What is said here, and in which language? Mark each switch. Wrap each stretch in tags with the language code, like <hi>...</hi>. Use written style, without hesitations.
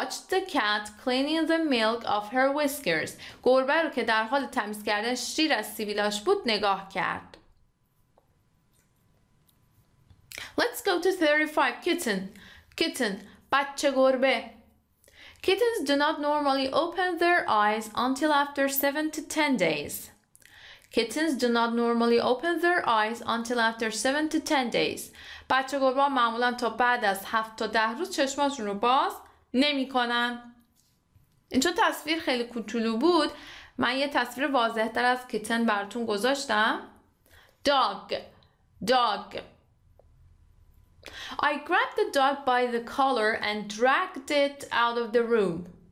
<en>He watched the cat cleaning the milk off her whiskers.</en> <fa>گربه رو که در حال تمیز کردن شیر از سیبیلاش بود نگاه کرد.</fa> <en>Let's go to 35. Kitten.</en> <fa>بچه گربه.</fa> <en>Kittens do not normally open their eyes until after 7 to 10 days.</en> <fa>بچه گربه معمولا تا بعد از 7 تا 10 روز چشماشون رو باز نمی کنن. این چون تصویر خیلی کوچولو بود، من یه تصویر واضح تر از کیتن براتون گذاشتم.</fa> <en>Dog. I grabbed the dog by the collar and dragged it out of the room.</en>